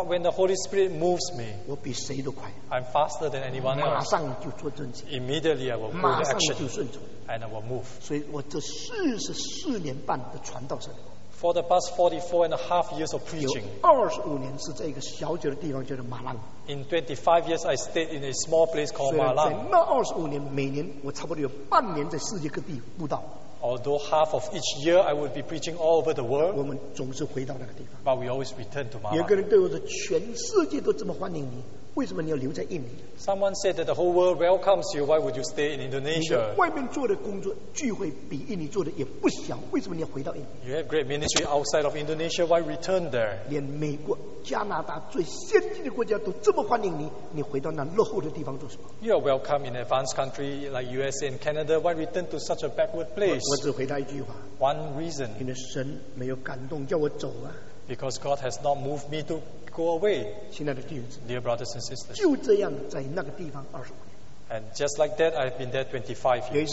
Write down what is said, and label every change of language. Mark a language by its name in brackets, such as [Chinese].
[English] but when the Holy Spirit moves me, [Chinese] 我比谁都快, [English] I'm faster than anyone else. [Chinese] 马上就做正经, [English] immediately I will move action and I will move. [Chinese] 所以我这44年半的传道生活, [English] for the past 44 and a half years of preaching, [Chinese] 25年是在一个小小的地方, [English] in 25 years I stayed in a small place called Malang. [Chinese] 那25年, 每年我差不多有半年在世界各地布道, [English] although half of each year I would be preaching all over the world, [Chinese] 我们总是回到那个地方, [English] but we always return to Malang. [Chinese] 有个人对我说, 全世界都这么欢迎你, 为什么你要留在印尼? [English] Someone said that the whole world welcomes you, why would you stay in Indonesia? [Chinese] 外面做的工作, [English] you have great ministry outside of Indonesia, why return there? [Chinese] 连美国, 加拿大最先进的国家都这么欢迎你, [English] you are welcome in advanced country like USA and Canada, why return to such a backward place? [Chinese] 我只回答一句话, [English] one reason, [Chinese] 因为神没有感动叫我走啊, [English] because God has not moved me to go away. Dear brothers and sisters, [Chinese] 就这样在那个地方, [English] and just like that, I've been there 25 years.